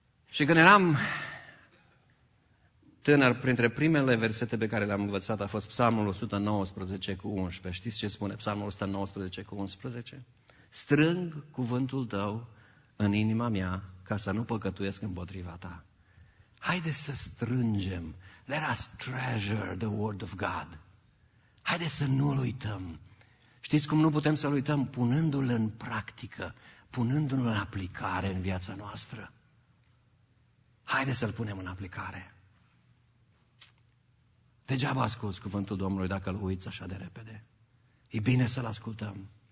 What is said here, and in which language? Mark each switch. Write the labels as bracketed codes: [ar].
[ro] Și când eram tânăr, printre primele versete pe care le-am învățat a fost Psalmul 119 cu 11. Știți ce spune Psalmul 119 cu 11? Strâng cuvântul tău în inima mea, ca să nu păcătuiesc împotriva ta. Haide să strângem. [en] Let us treasure the word of God. [ro] Haide să nu-l uităm. Știți cum nu putem să-l uităm? Punându-l în practică, punându-l în aplicare în viața noastră. Haide să-l punem în aplicare. Degeaba asculți cuvântul Domnului dacă îl uiți așa de repede. E bine să-l ascultăm.